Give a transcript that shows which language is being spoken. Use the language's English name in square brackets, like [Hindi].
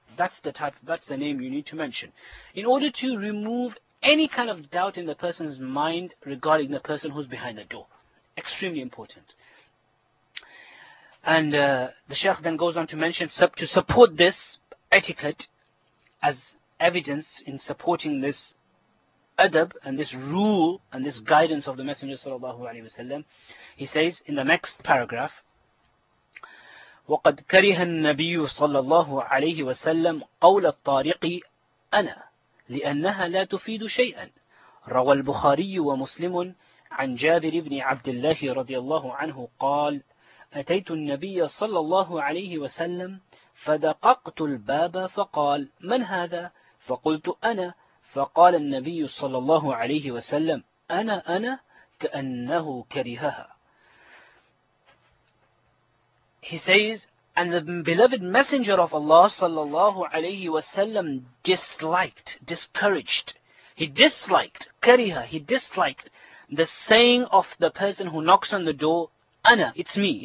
[English] That's the name you need to mention. In order to remove any kind of doubt in the person's mind regarding the person who's behind the door. Extremely important. And the Shaykh then goes on to mention, to support this etiquette as evidence in supporting this adab and this rule and this guidance of the Messenger sallallahu alaihi wasallam, he says in the next paragraph, [Arabic] وَقَدْ كَرِهَ النَّبِيُّ صَلَّى اللَّهُ عَلَيْهِ وَسَلَّمْ قَوْلَ الطَّارِقِ أَنَا لِأَنَّهَا لَا تُفِيدُ شَيْئًا روى البخاري ومسلم عن جابر بن عبد الله رضي الله عنه قال أتيت النبي صلى الله عليه وسلم فدققت الباب فقال من هذا؟ فقلت أنا فقال النبي صلى الله عليه وسلم أنا كأنه كرهها. [English] He says, and the beloved messenger of Allah sallallahu alayhi wasallam disliked, discouraged. He disliked, kariha, he disliked the saying of the person who knocks on the door, ana, it's me.